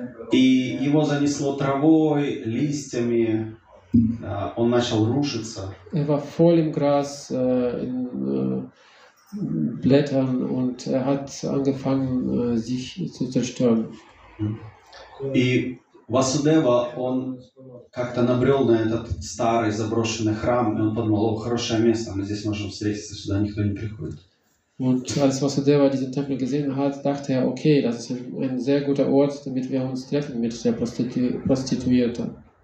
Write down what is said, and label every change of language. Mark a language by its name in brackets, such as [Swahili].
[Russian] И его занесло травой, листьями. Он начал рушиться. [German] Er war voll im Gras, in Blättern, und er hat angefangen, sich zu zerstören. [Russian] И Васудева, он как-то набрел на этот старый заброшенный храм, и он подумал, о, хорошее место, мы здесь можем встретиться, сюда никто не приходит. [German] Und als Васудева diesen Tempel gesehen hat, dachte er, okay, das ist ein sehr guter Ort, damit wir uns treffen mit der Prostituierte.